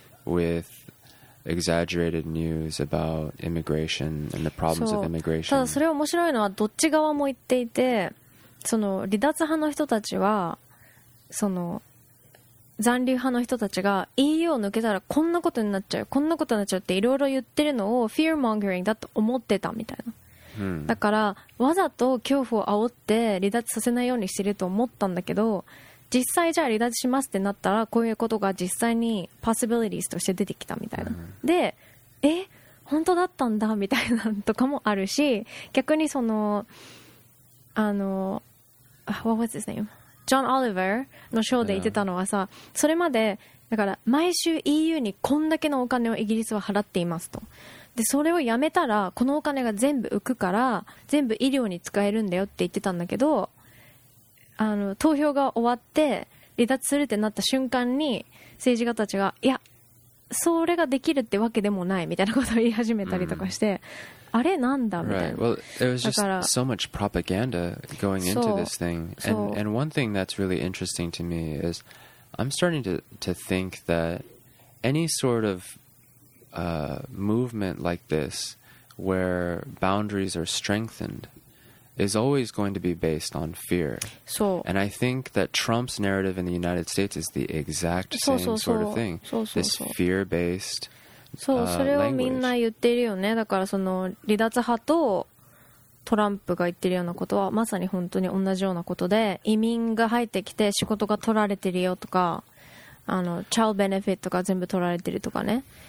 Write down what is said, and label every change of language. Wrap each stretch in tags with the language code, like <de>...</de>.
<en>With exaggerated news about immigration and the problems of immigration.</en> <ja>ただそれ面白いのはどっち側も言っていて、その離脱派の人たちは、その残留派の人たちが EU を抜けたらこんなことになっちゃう、こんなことになっちゃうっていろいろ言ってるのを fear mongering だと思ってたみたいな。だからわざと恐怖を煽って離脱させないようにしてると思ったんだけど。実際じゃあ離脱しますってなったらこういうことが実際にパシビリティスとして出てきたみたいな、で、え、本当だったんだみたいなとかもあるし、逆にそのあの</ja> <en>What was his name?</en> <ja>John Oliver のショーで言ってたのはさ、それまでだから毎週 EU にこんだけのお金をイギリスは払っていますと、でそれをやめたらこのお金が全部浮くから全部医療に使えるんだよって言ってたんだけど、あの投票が終わって離脱するってなった瞬間に政治家たちがいやそれができるってわけでもないみたいなことを言い始めたりとかして、あれなんだみたいな。</ja> <en>Well, there was just so much propaganda going into this thing. And one thing that's really interesting to me is I'm starting to think that any sort of movement like this where boundaries are strengthened,is always going to be based on fear. So, and I think that Trump's narrative in the United States is the exact same sort of thing. This fear-based language.</en> <ja>それをみんな言ってるよね。だからその離脱派とトランプが言ってるようなことはまさに本当に同じようなことで、移民が入ってきて仕事が取られてるよとか、あの、child benefit とか全部取られてるとかね。</ja>